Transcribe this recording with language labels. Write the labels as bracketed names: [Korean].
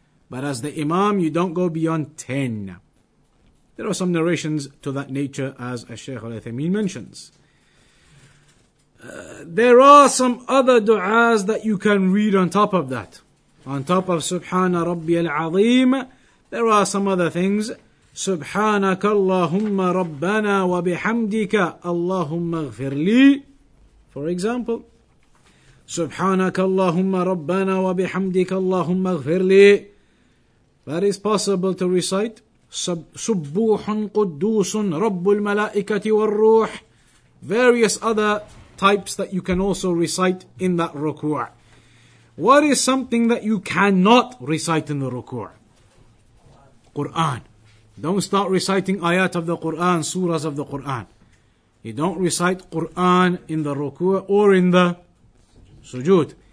[English] But as the imam, you don't go beyond 10. There are some narrations to that nature, as Shaykh Uthaymeen mentions. There are some other du'as that you can read on top of that. On top of Subhana Rabbi al-Azim, there are some other things. [Arabic] سبحانك اللهم ربنا وبحمدك اللهم اغفر لي. [English] For example, [Arabic] سبحانك اللهم ربنا وبحمدك اللهم اغفر لي. [English] That is possible to recite. [Arabic] سبوح قدوس رب الملائكة والروح. [English] Various other types that you can also recite in that ruku'. What is something that you cannot recite in the ruku'? Quran. Don't start reciting ayat of the Quran, surahs of the Quran. You don't recite Quran in the ruku' or in the sujood.